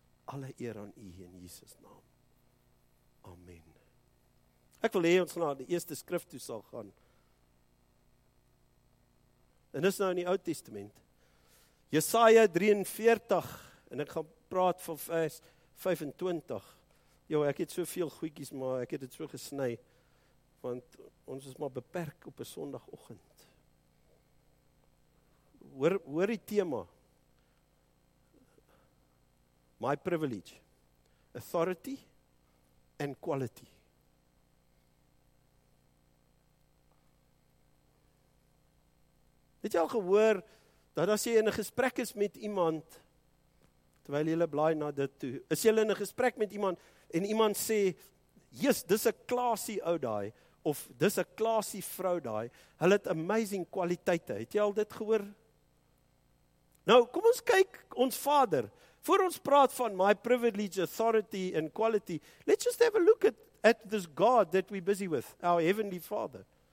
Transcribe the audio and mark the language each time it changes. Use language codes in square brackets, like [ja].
[af] Alle eer aan U in Jesus naam. Amen. Ek wil hê ons na die eerste skrif toe sal gaan. En dis nou in die Ou Testament. Jesaja 43 en ek gaan praat van vers 25. Jo, ek het soveel goedjies, maar ek het dit so gesny want ons is maar beperk op 'n Sondagoggend. Hoor die tema. [en] My privilege, authority and quality. [af] Het jy al gehoor dat as jy in 'n gesprek is met iemand, terwyl jy blaai na dit toe, is jy in 'n gesprek met iemand en iemand sê, "Jesus, dis 'n klasie ou daai," of "Dis 'n klasie vrou daai, hulle het amazing kwaliteite." Het jy al dit gehoor? Nou, kom ons kyk ons Vader. Voor ons praat van my [en] privilege, authority and quality, let's just have a look at this God that we're busy with, our Heavenly Father.